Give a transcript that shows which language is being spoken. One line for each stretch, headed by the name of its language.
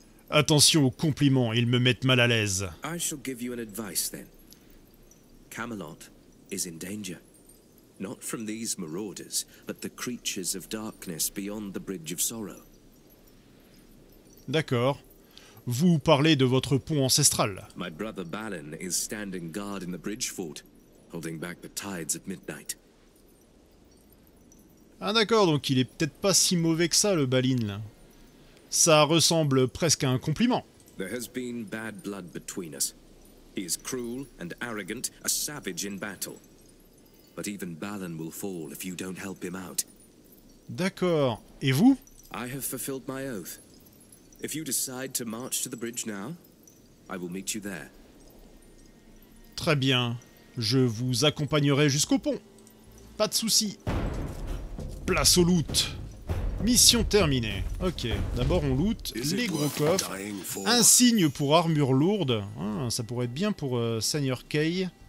French: Attention aux compliments, ils me mettent mal à l'aise.
English: I shall give you an advice then. Camelot is in danger. Not from these marauders, but the creatures of darkness beyond the Bridge of Sorrow.
French: D'accord. Vous parlez de votre pont ancestral.
English: My brother Balin is standing guard in the bridge fort, holding back the tides at midnight.
French: Ah d'accord, donc il est peut-être pas si mauvais que ça, le Balin, là. Ça ressemble presque à un compliment.
English: There has been bad blood between us. He is cruel and arrogant, a savage in battle. But even Balin will fall if you don't help him out.
French: D'accord. Et vous?
English: I have fulfilled my oath. If you decide to march to the bridge now, I will meet you there.
French: Très bien. Je vous accompagnerai jusqu'au pont. Pas de soucis. Place au loot. Mission terminée. Ok, d'abord on loot les gros coffres. Insigne pour armure lourde. Ah, ça pourrait être bien pour Seigneur Kay.